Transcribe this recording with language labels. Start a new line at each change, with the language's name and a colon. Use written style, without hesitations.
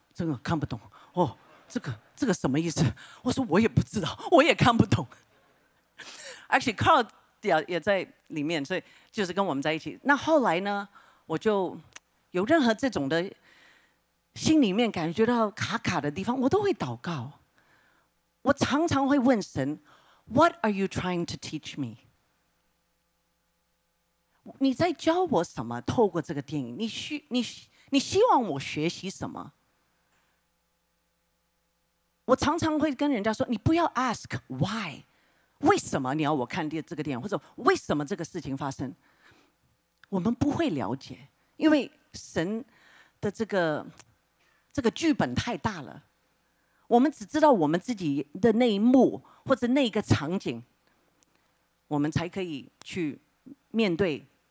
Chinese: 这个看不懂哦，这个什么意思？我说我也不知道，我也看不懂。
English: Actually,
Chinese: Carl 也在里面，所以就是跟我们在一起。那后来呢，我就有任何这种的心里面感觉到卡卡的地方，我都会祷告。我常常会问神
English: ，What are you trying to teach me？
Chinese: 你在教我什么？透过这个电影，你希望我学习什么？我常常会跟人家说，你不要
English: ask why，
Chinese: 为什么你要我看这个电影，或者为什么这个事情发生，我们不会了解，因为神的这个剧本太大了，我们只知道我们自己的那一幕或者那一个场景，我们才可以去面对。